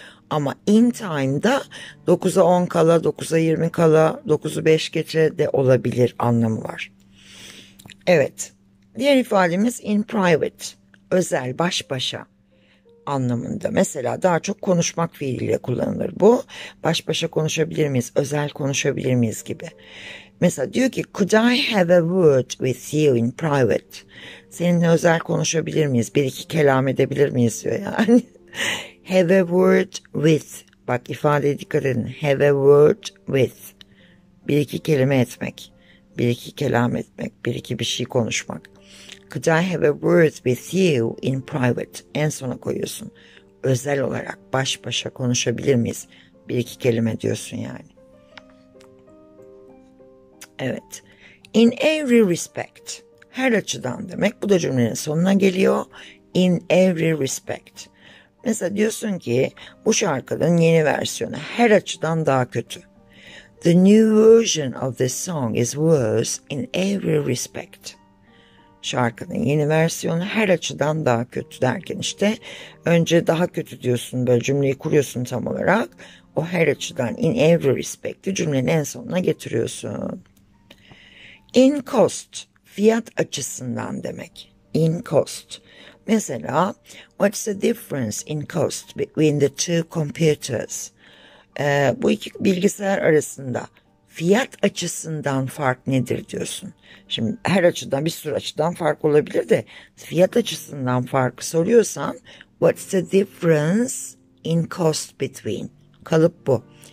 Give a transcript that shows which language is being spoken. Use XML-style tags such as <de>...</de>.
<tr>Ama in time'da 9'a 10 kala, 9'a 20 kala, 9'u 5 geçe de olabilir anlamı var. Evet. Diğer ifademiz in private, özel, baş başa anlamında. Mesela daha çok konuşmak fiiliyle kullanılır bu. Baş başa konuşabilir miyiz, özel konuşabilir miyiz gibi. Mesela diyor ki,</tr> <en>could I have a word with you in private?</en> <tr>Seninle özel konuşabilir miyiz, bir iki kelam edebilir miyiz diyor yani. Have a word with, bak ifadeye dikkat edin, have a word with, bir iki kelime etmek, bir iki kelam etmek, bir iki bir şey konuşmak.</tr> <en>Could I have a word with you in private?</en> <tr>En sona koyuyorsun. Özel olarak baş başa konuşabilir miyiz? Bir iki kelime diyorsun yani. Evet. In every respect. Her açıdan demek. Bu da cümlenin sonuna geliyor. In every respect. Mesela diyorsun ki bu şarkının yeni versiyonu her açıdan daha kötü.</tr> <en>The new version of this song is worse in every respect.</en> <tr>Şarkının yeni versiyonu her açıdan daha kötü derken işte önce daha kötü diyorsun, böyle cümleyi kuruyorsun tam olarak. O her açıdan, in every respect, cümlenin en sonuna getiriyorsun. In cost, fiyat açısından demek. In cost.</tr> <en>Mesela, what's the difference in cost between the two computers?</en> <tr>Bu iki bilgisayar arasında fiyat açısından fark nedir diyorsun. Şimdi her açıdan, bir sürü açıdan fark olabilir de fiyat açısından farkı soruyorsan</tr> <en>what's the difference in cost between?</en> <tr>Kalıp bu.</tr>